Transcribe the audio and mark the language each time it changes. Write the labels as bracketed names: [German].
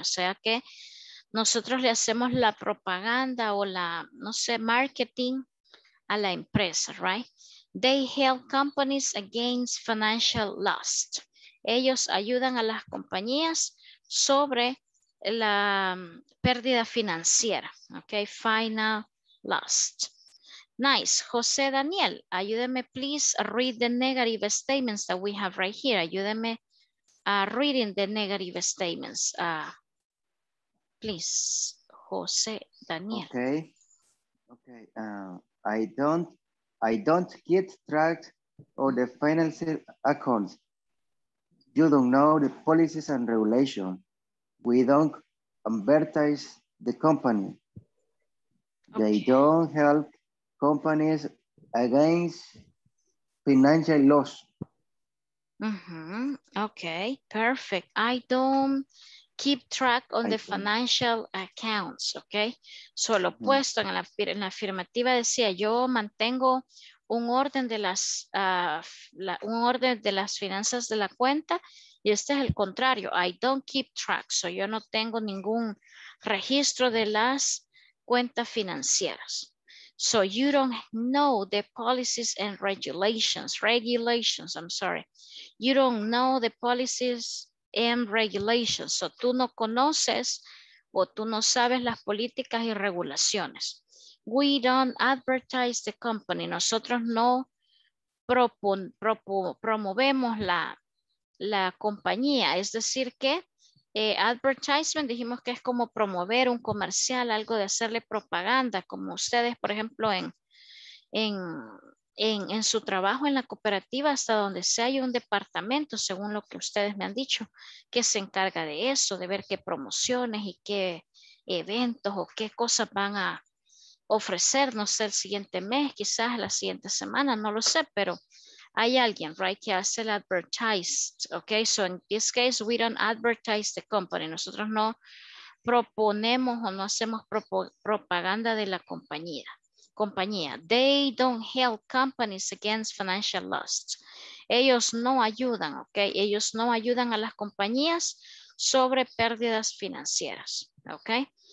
[Spanish] O sea que nosotros le hacemos la propaganda o la, no sé, marketing a la empresa, right? [English] They help companies against financial loss. [Spanish] Ellos ayudan a las compañías sobre la pérdida financiera. [English] Ok, final loss. Nice. José Daniel, ayúdeme, please, read the negative statements that we have right here. Ayúdeme reading the negative statements. Please, José Daniel. Okay. Okay. I don't keep track of the financial accounts. You don't know the policies and regulations. We don't advertise the company. Okay. They don't help companies against financial loss. Mm-hmm. Okay, perfect. I don't keep track on the financial accounts, okay? [Spanish] Solo puesto en la afirmativa decía, yo mantengo un orden de las un orden de las finanzas de la cuenta, y este es el contrario. [English] I don't keep track. [Spanish] So yo no tengo ningún registro de las cuentas financieras. [English] So you don't know the policies and regulations. Regulations, I'm sorry. You don't know the policies and regulations. [Spanish] So tú no conoces o tú no sabes las políticas y regulaciones. [English] We don't advertise the company. [Spanish] Nosotros no promovemos la compañía. Es decir que advertisement dijimos que es como promover un comercial, algo de hacerle propaganda, como ustedes, por ejemplo, en su trabajo en la cooperativa, hasta donde sea, hay un departamento, según lo que ustedes me han dicho, que se encarga de eso, de ver qué promociones y qué eventos o qué cosas van a ofrecer, no sé, el siguiente mes, quizás la siguiente semana, no lo sé, pero hay alguien, right, que hace el advertised, okay? [English] So in this case, we don't advertise the company. [Spanish] Nosotros no proponemos o no hacemos propaganda de la compañía. [English] They don't help companies against financial loss. [Spanish] Ellos no ayudan, okay? Ellos no ayudan a las compañías sobre pérdidas financieras, okay?